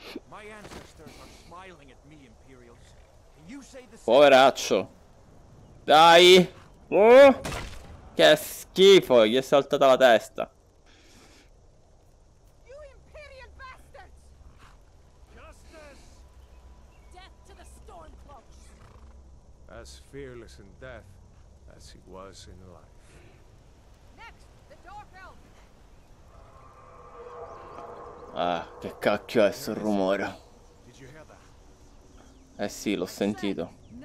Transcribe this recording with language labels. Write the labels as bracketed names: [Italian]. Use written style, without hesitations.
[English] My ancestors are smiling at me, Imperials. Can you say the same? [Italian] Poveraccio. Dai! Oh! Che schifo, gli è saltata la testa. [English] You Imperial bastards! Justice! Death to the Stormcloaks! As fearless in death as he was in life. Next, the Dark Elf! [Italian] Ah, che cacchio è sto rumore? Eh sì, l'ho sentito.